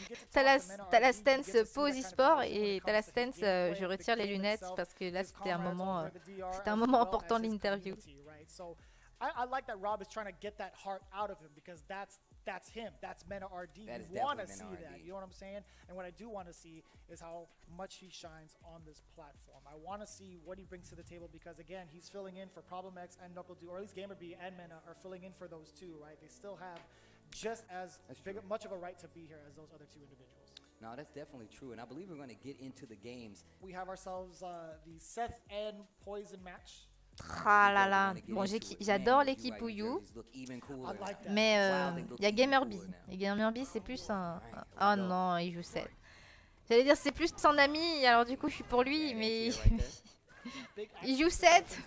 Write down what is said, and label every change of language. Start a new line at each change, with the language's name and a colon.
French: T'as la stance pose e-sport et t'as la stance je retire les lunettes parce que là c'était un moment important de l'interview.
English: I like that Rob is trying to get that heart out of him because that's him, that's Mena RD. That you want to see RD. That, you know what I'm saying? And what I do want to see is how much he shines on this platform. I want to see what he brings to the table because, again, he's filling in for Problem X and Knuckle Dude, or at least Gamer B and Mena are filling in for those two, right? They still have just as big, much of a right to be here as those other two individuals. No, that's definitely true, and I believe we're going to get into the games. We have ourselves the Seth and Poison match.
French: Ah là là, bon, j'adore l'équipe Ouyou, mais il y a Gamer B. Et Gamer B, c'est plus un. Oh non, il joue 7. J'allais dire, c'est plus son ami, alors du coup, je suis pour lui, mais. Il joue 7.